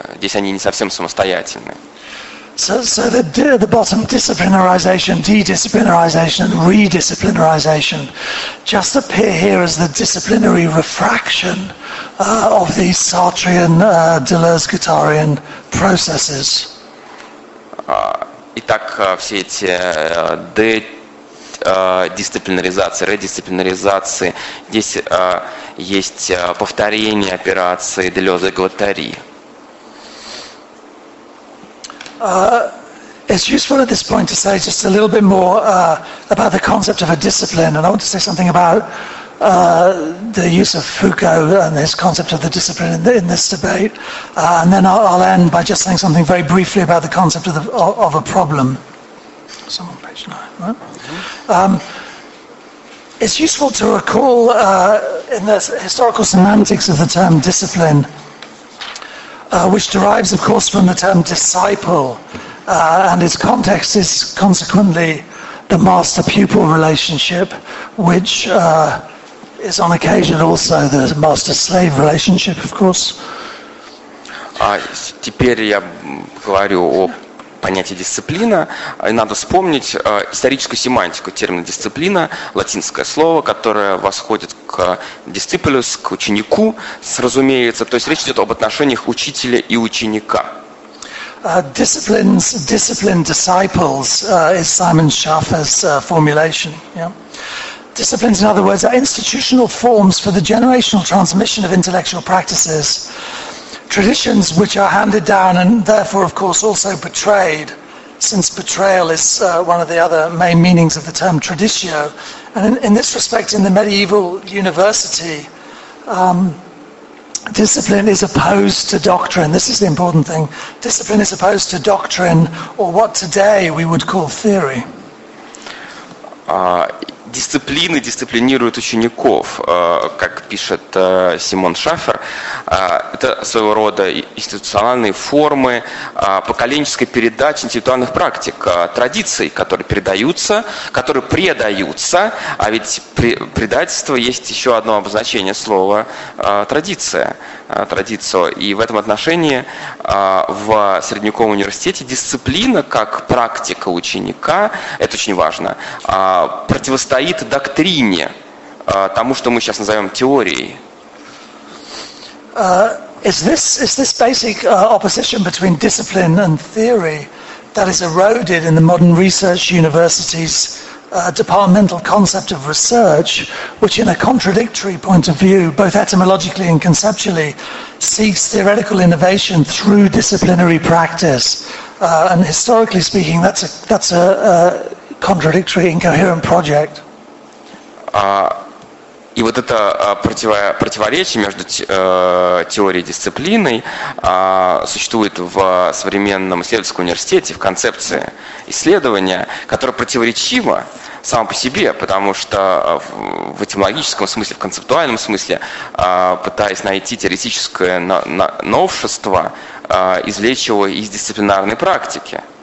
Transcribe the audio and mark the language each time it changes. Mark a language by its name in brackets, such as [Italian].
[Russian] Здесь они не совсем самостоятельны. [English] So the bottom disciplinarization, de-disciplinarization, re-disciplinarization just appear here as the disciplinary refraction of these Sartrean, Deleuze-Guattarian processes. [Russian] Итак, все эти дисциплинаризации, редисциплинаризации. Здесь есть повторение операции Делёза и Гватари. [English] It's useful at this point to say just a little bit more about the concept of a discipline, and I want to say something about the use of Foucault and his concept of the discipline in this debate, and then I'll end by just saying something very briefly about the concept of a problem. So on page 9, right? Mm-hmm. It's useful to recall in the historical semantics of the term discipline, which derives, of course, from the term disciple, and its context is consequently the master-pupil relationship, which is on occasion also the master-slave relationship, of course. [Russian] Теперь я говорю о понятии дисциплина. И надо вспомнить историческую семантику термина дисциплина, латинское слово, которое восходит к дисциплюс, к ученику, разумеется. То есть речь идет об отношениях учителя и ученика. [English] Discipline disciples is Simon Schaffer's formulation. Yeah. Disciplines, in other words, are institutional forms for the generational transmission of intellectual practices, traditions which are handed down and therefore, of course, also betrayed, since betrayal is one of the other main meanings of the term traditio. And in this respect, in the medieval university, discipline is opposed to doctrine. This is the important thing. Discipline is opposed to doctrine, or what today we would call theory. [Russian] Дисциплины дисциплинируют учеников, как пишет Симон Шафер. Это своего рода институциональные формы поколенческой передачи интеллектуальных практик, традиций, которые передаются, которые предаются. А ведь предательство есть еще одно обозначение слова традиция, традицию. И в этом отношении в средневековом университете дисциплина как практика ученика, это очень важно, противостоит доктрине, тому, что мы сейчас назовем теорией. [English] Is this basic opposition between discipline and theory that is eroded in the modern research universities departmental concept of research, which in a contradictory point of view, both etymologically and conceptually, seeks theoretical innovation through disciplinary practice? And historically speaking, that's a contradictory, incoherent project. [Russian] И вот это противоречие между теорией и дисциплиной существует в современном исследовательском университете, в концепции исследования, которая противоречива сама по себе, потому что в этимологическом смысле, в концептуальном смысле, пытаясь найти теоретическое новшество, извлечь его из дисциплинарной практики.